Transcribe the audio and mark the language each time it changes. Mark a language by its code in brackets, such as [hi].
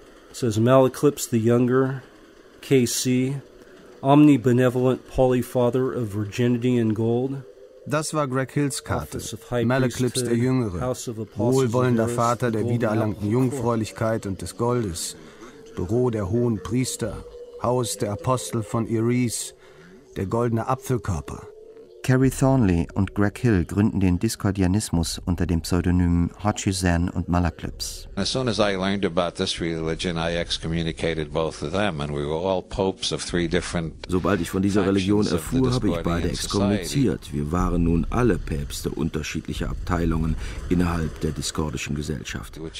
[en] It says Malaclips the Younger, KC, Omnibenevolent Polyfather of Virginity and Gold. [de] Das war Greg Hills Karte. Malaclips der Jüngere, wohlwollender Vater der wiedererlangten Jungfräulichkeit und des Goldes, Büro der hohen Priester, Haus der Apostel von Eris, der goldene Apfelkörper. Cary Thornley und Greg Hill gründen den Discordianismus unter dem Pseudonym Hodgson und Malaclips. [en] As soon as I learned about this religion, I excommunicated both of them, and we were all popes of three different. [de] Sobald ich von dieser Religion erfuhr, habe ich beide exkommuniziert. Wir waren nun alle Päpste unterschiedlicher Abteilungen innerhalb der diskordischen Gesellschaft.